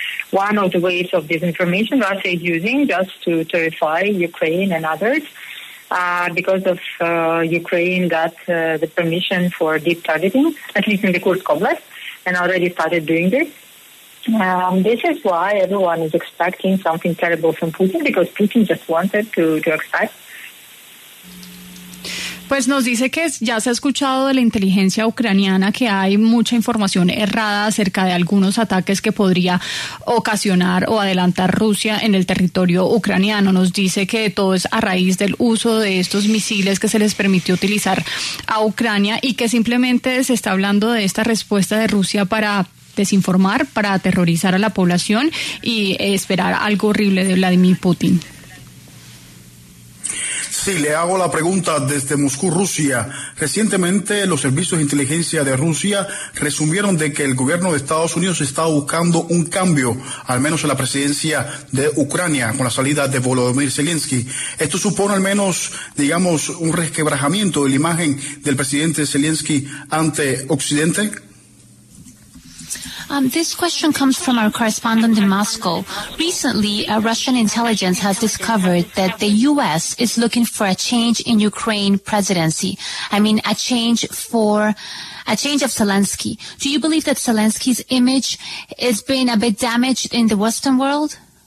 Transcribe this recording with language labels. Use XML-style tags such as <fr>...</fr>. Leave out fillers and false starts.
<en>One of the ways of disinformation Russia is using just to terrify Ukraine and others because of Ukraine got the permission for deep targeting, at least in the Kursk Oblast, and already started doing this. This is why everyone is expecting something terrible from Putin, because Putin just wanted to expect.</en> <es>Pues nos dice que ya se ha escuchado de la inteligencia ucraniana que hay mucha información errada acerca de algunos ataques que podría ocasionar o adelantar Rusia en el territorio ucraniano. Nos dice que todo es a raíz del uso de estos misiles que se les permitió utilizar a Ucrania y que simplemente se está hablando de esta respuesta de Rusia para desinformar, para aterrorizar a la población y esperar algo horrible de Vladimir Putin. Sí, le hago la pregunta desde Moscú, Rusia. Recientemente los servicios de inteligencia de Rusia resumieron de que el gobierno de Estados Unidos está buscando un cambio, al menos en la presidencia de Ucrania, con la salida de Volodymyr Zelensky. ¿Esto supone al menos, digamos, un resquebrajamiento de la imagen del presidente Zelensky ante Occidente?</es> <en>This question comes from our correspondent in Moscow. Recently, a Russian intelligence has discovered that the U.S. is looking for a change in Ukraine presidency. I mean, a change of Zelensky. Do you believe that Zelensky's image is being a bit damaged in the Western world?</en>